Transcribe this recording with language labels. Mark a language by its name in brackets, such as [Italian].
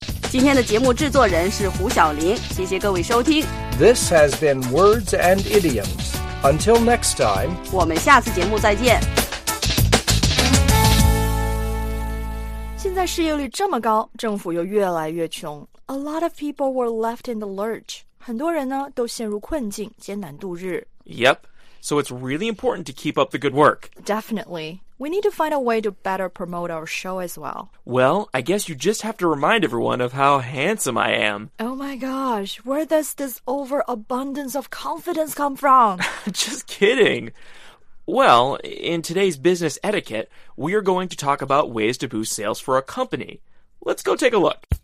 [Chinese] 今天的节目制作人是胡晓玲，谢谢各位收听。 [English] This has been Words and Idioms. Until next time, [Chinese] 我们下次节目再见。现在失业率这么高，政府又越来越穷。 [English] A lot of people were left in the lurch. [Chinese] 很多人呢都陷入困境，艰难度日。 [English] Yep. So it's really important to keep up the good work. Definitely. We need to find a way to better promote our show as well. Well, I guess you just have to remind everyone of how handsome I am. Oh my gosh, where does this overabundance of confidence come from? Just kidding. Well, in today's business etiquette, we are going to talk about ways to boost sales for a company. Let's go take a look.